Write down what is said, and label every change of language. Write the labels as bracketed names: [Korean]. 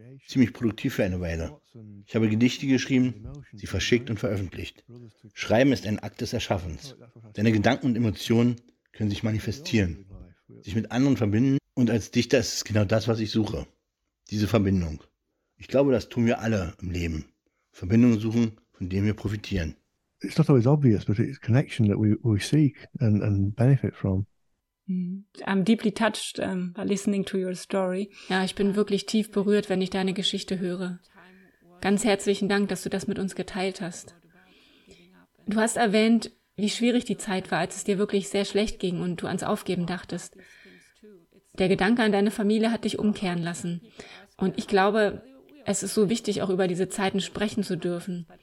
[German] Ziemlich produktiv für eine Weile. Ich habe Gedichte geschrieben, sie verschickt und veröffentlicht. Schreiben ist ein Akt des Erschaffens. Deine Gedanken und Emotionen können sich manifestieren, sich mit anderen verbinden. Und als Dichter ist es genau das, was ich suche. Diese Verbindung. Ich glaube, das tun wir alle im Leben. Verbindungen suchen, von denen wir profitieren. [English] It's not always obvious, but it's connection that we seek and benefit from. I'm deeply touched by listening to your story. [German] Ja, ich bin wirklich tief berührt, wenn ich deine Geschichte höre. Ganz herzlichen Dank, dass du das mit uns geteilt hast. Du hast erwähnt, wie schwierig die Zeit war, als es dir wirklich sehr schlecht ging und du ans Aufgeben dachtest. Der Gedanke an deine Familie hat dich umkehren lassen. Und ich glaube, es ist so wichtig, auch über diese Zeiten sprechen zu dürfen.